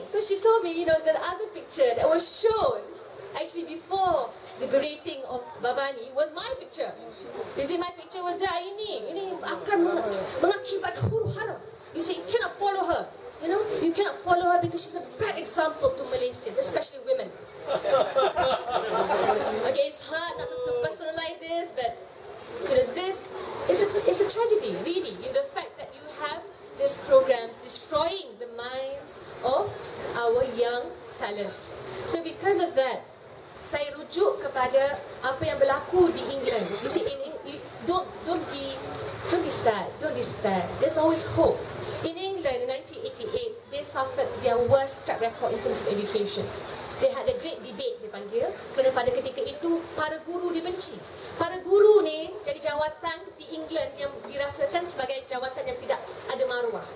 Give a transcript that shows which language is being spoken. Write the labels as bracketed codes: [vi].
[en] So she told me, you know, the other picture that was shown actually before the berating of Bawani was my picture. You see, my picture was there. [ms] Ini akan mengakibatkan huru hara. [en] You see, you cannot follow her. You know, you cannot follow her because she's a bad example to Malaysians, especially women. Okay, it's hard not to personalize this, but you know, this is a tragedy, really, in the fact that you have these programs destroying the minds of our young talents. So because of that, [ms] saya rujuk kepada apa yang berlaku di England. [en] You see, don't be sad, don't despair. There's always hope. In England, in 1988, they suffered their worst track record in terms of education. They had a great debate, [ms] dipanggil. Kerana pada ketika itu, para guru dibenci. Para guru ni jadi jawatan di England yang dirasakan sebagai jawatan yang tidak ada maruah.